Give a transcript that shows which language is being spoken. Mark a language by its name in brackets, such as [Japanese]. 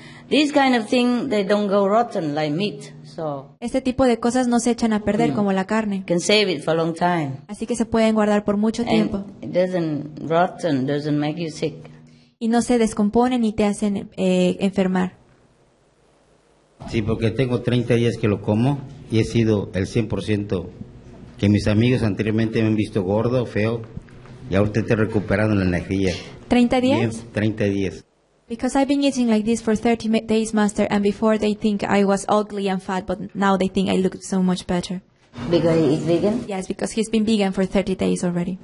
[English] This kind of thing, they don't go rotten like meat. So [Spanish] este tipo de cosas no se echan a perder como la carne. [English] Can save it for a long time. [Spanish] Así que se pueden guardar por mucho tiempo. [English] It doesn't rotten, doesn't make you sick. [Spanish] Y no se descomponen ni te hacen enfermar. Sí, porque tengo 30 días que lo como y he sido el 100% que mis amigos anteriormente me han visto gordo, feo, y ahora estoy recuperando la energía. 30 días. Bien, 30 días. [English] Because I've been eating like this for 30 days, Master, and before they think I was ugly and fat, but now they think I look so much better. Because he's vegan? Yes, because he's been vegan for 30 days already.